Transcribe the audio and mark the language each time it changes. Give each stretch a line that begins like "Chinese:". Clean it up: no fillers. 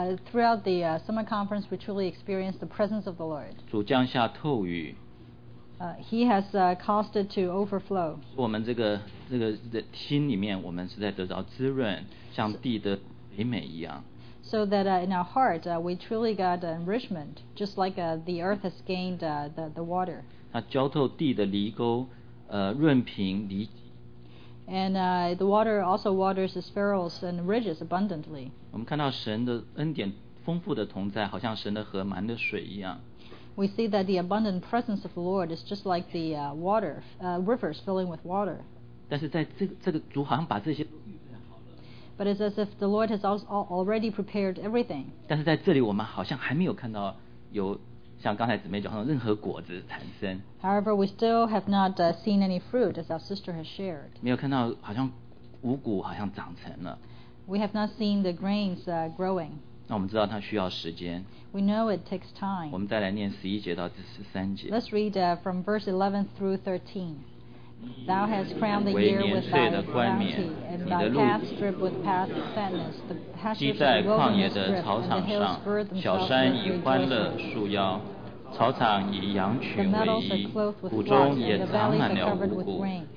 English: Throughout the summer conference, we truly experienced the presence of the Lord.
Chinese: 主降下透雨。
English: He has caused it to overflow.
Chinese: 我们这个心里面，我们是在得到滋润，像地的肥美一样。
English: So that in our heart, we truly got enrichment, just like the earth has gained the water.
Chinese: 它浇透地的犁沟，润平犁。
English: And the water also waters its furrows and ridges abundantly.
Chinese: 我们看到神的恩典丰富的同在，好像神的河满的水一样。
English: We see that the abundant presence of the Lord is just like the water, rivers filling with water.
Chinese: 但是在这个主好像把这些都预备好了。
English: But it's as if the Lord has already prepared everything.
Chinese: 但是在这里我们好像还没有看到有像刚才姊妹讲的任何果子产生。
English: However, we still have not seen any fruit, as our sister has shared.
Chinese: 没有看到好像五谷好像长成了。
English: We have not seen the grains growing.
Chinese: 那我们知道它需要时间。
English: We know it takes time.
Chinese: 我们再来念十一节到第十三节。
English: Let's read from verse 11 through 13. Thou hast crowned the year with thy bounty, and thy calf stripped with past fatness. The pastures of the wilderness drip, and the hills gird themselves with rejoicing. The meadows are clothed with flocks, and the valleys are covered with grain.